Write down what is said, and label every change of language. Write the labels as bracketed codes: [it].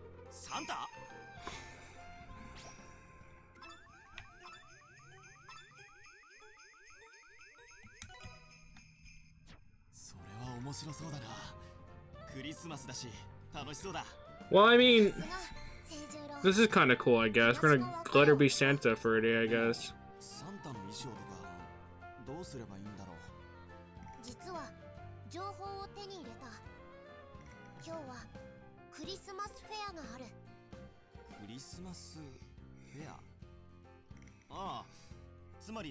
[ja] サンタ？それは面白そうだな。クリスマスだし、楽しそうだ。 [en] Well, I mean, this is kind of cool, I guess. We're gonna let her be Santa for a day, I guess. [ja] サンタの衣装とか、どうすればいいんだろう。実は情報を手に入れた。今日はクリスマスフェアがある。クリスマスフェア。ああ、つまり